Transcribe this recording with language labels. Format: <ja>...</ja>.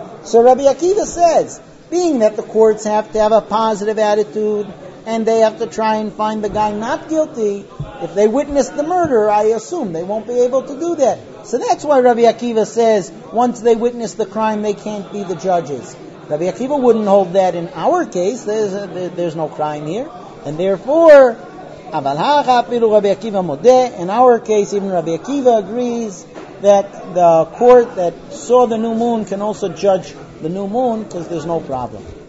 <en>So Rabbi Akiva says, being that the courts have to have a positive attitude and they have to try and find the guy not guilty, if they witness the murder, I assume they won't be able to do that. So that's why Rabbi Akiva says, once they witness the crime, they can't be the judges. Rabbi Akiva wouldn't hold that in our case. There's no crime here. And therefore,</en> <he>אבל הכה אפילו רבי עקיבא מודה.</he> <en>In our case, even Rabbi Akiva agrees that the court that saw the new moon can also judge the new moon because there's no problem.</en>